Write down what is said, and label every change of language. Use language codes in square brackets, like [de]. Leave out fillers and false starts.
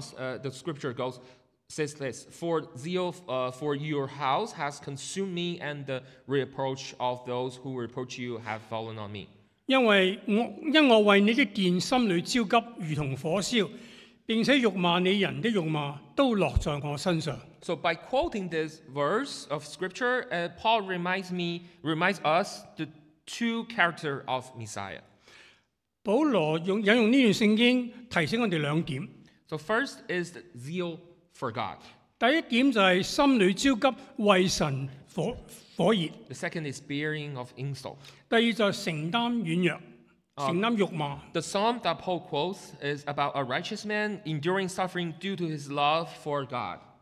[en] In the Psalms, the scripture says this, for zeal for your house has consumed me, and the reproach of those who reproach you have fallen on me. [zh] 因为我为你的殿心里焦急如同火烧，并且辱骂你人的辱骂都落在我身上。 [en] So by quoting this verse of scripture, Paul reminds us the two characters of Messiah. [zh] 保罗引用这段圣经提醒我们两点。 [en] So first is the zeal for God. [zh] 第一点就是心里焦急为神火热。 [en] The second is bearing of insult. [zh] 第二就是承担软弱。 [en] The psalm that Paul quotes is about a righteous man enduring suffering due to his love for God.